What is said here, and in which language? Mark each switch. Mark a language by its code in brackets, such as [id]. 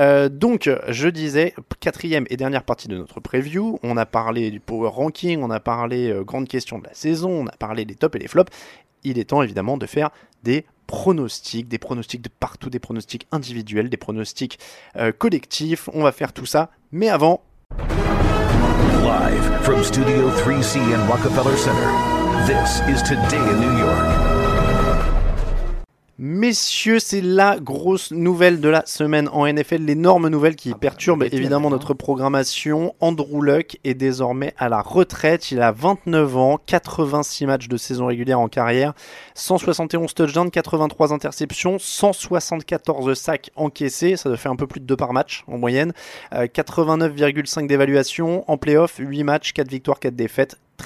[fr] Donc, je disais, quatrième et dernière partie de notre preview, on a parlé du power ranking, on a parlé grandes questions de la saison, on a parlé des tops et des flops, il est temps évidemment de faire des pronostics de partout, des pronostics individuels, des pronostics collectifs. On va faire tout ça, mais avant. [en] Live from Studio 3C and Rockefeller Center, this is Today in New York. [fr] Messieurs, c'est la grosse nouvelle de la semaine en NFL, l'énorme nouvelle qui perturbe évidemment notre programmation. Andrew Luck est désormais à la retraite, il a 29 ans, 86 matchs de saison régulière en carrière, 171 touchdowns, 83 interceptions, 174 sacks encaissés, ça fait un peu plus de 2 par match en moyenne, 89,5 d'évaluation en playoff, 8 matchs, 4 victoires, 4 défaites.